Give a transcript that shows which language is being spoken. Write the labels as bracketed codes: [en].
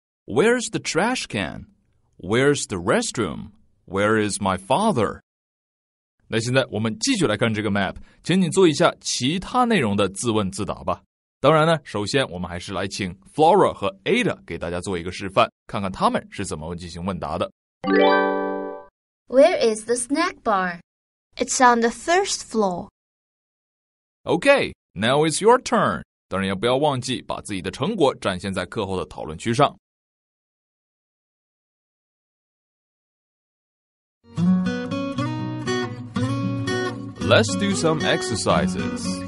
[en] Where's the trash can? Where's the restroom? Where is my father? [zh] 那现在我们继续来看这个 map, 请你做一下其他内容的自问自答吧。当然呢，首先我们还是来请 Flora 和 Ada 给大家做一个示范，看看他们是怎么进行问答的。 [en] Where is the snack bar? It's on the first floor. Okay, Now it's your turn. [zh] 当然也不要忘记把自己的成果展现在课后的讨论区上。 [en] Let's do some exercises.